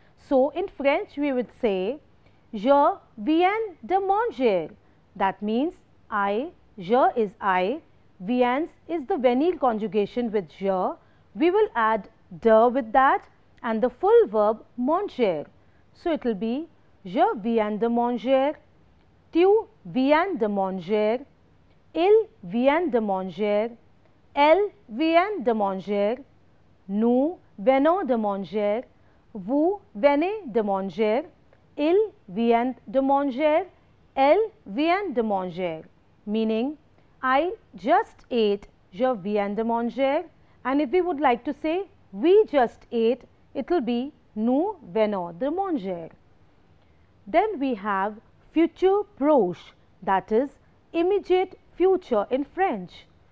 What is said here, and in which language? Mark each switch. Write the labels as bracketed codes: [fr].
[en] So in French we would say [fr] je viens de manger, [en] that means I, je is I, viens is the venir conjugation with je, we will add de with that and the full verb manger. So it will be [fr] je viens de manger, tu viens de manger, il vient de manger, elle vient de manger, nous venons de manger, vous venez de manger, il vient de manger, elle vient de manger. [en] Meaning, I just ate, [fr] je viens de manger. [en] And if we would like to say, we just ate, it will be [fr] nous venons de manger. [en] Then we have future proche, that is immediate future in French.